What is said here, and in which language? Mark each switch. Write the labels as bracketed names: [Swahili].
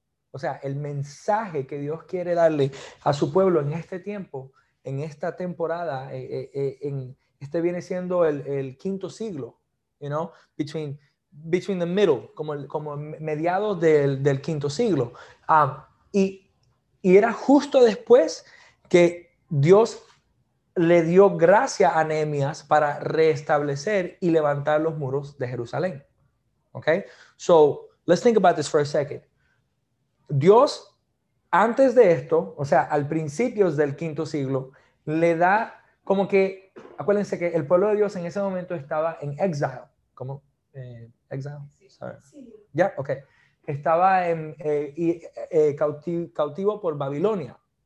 [Spanish] O sea, el mensaje que Dios quiere darle a su pueblo en este tiempo, en esta temporada, este viene siendo el quinto siglo, [English] you know, between the middle, [Spanish] como mediados del quinto siglo. Y era justo después que Dios le dio gracia a Nehemías para restablecer y levantar los muros de Jerusalén. [English] Okay, so let's think about this for a second. [Spanish] Dios, antes de esto, o sea, al principio del quinto siglo, le da como que, acuérdense que el pueblo de Dios en ese momento estaba en exile. ¿Cómo? [English] ¿Exile? Sorry. [Spanish] Sí. [English] Yeah, okay. [Spanish] Estaba en cautivo por Babilonia.